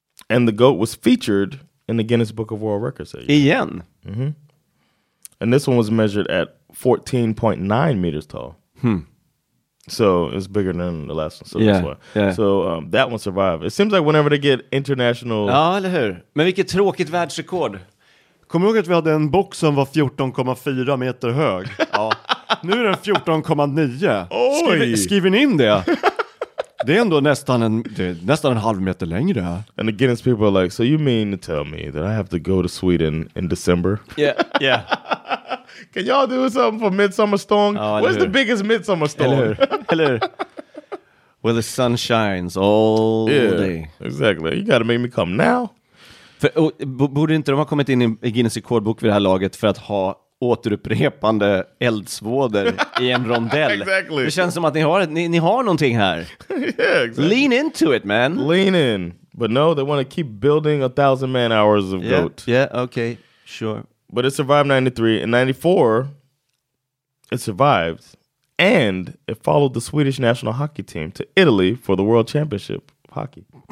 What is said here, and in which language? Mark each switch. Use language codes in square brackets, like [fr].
[en] And the goat was featured in the Guinness Book of World Records. [sv] Igen. Mm-hmm. [en] And this one was measured at 14.9 meters tall. So it's bigger than the last one. So yeah, that's why. Yeah. So that one survived. It seems like whenever they get international... [sv] Ja, eller hur? Men vilket tråkigt världsrekord. Kommer du ihåg att vi hade en bock som var 14,4 meter hög? Ja. Nu är den 14,9. Oj! Skriver ni in det? Det är ändå nästan en, det är nästan en halv meter längre. [en] And the Guinness people are like, so you mean to tell me that I have to go to Sweden in December? Yeah, yeah. Can y'all do something for Midsummer Storm? Where's the biggest Midsummer Storm? Hello. Where the sun shines all day. Exactly. You gotta make me come now. [sv] Borde inte de ha kommit in i Guinness rekordbok vid det här laget för att ha återupprepande eldsvåder i en rondell. [en] Exactly. [sv] Det känns som att ni har någonting här. [en] Yeah, exactly. Lean into it, man. Lean in. But no, they want to keep building 1,000 man hours of goat. Yeah, okay, sure. But it survived 93. In 94, it survived. And it followed the Swedish national hockey team to Italy for the World Championship of Hockey.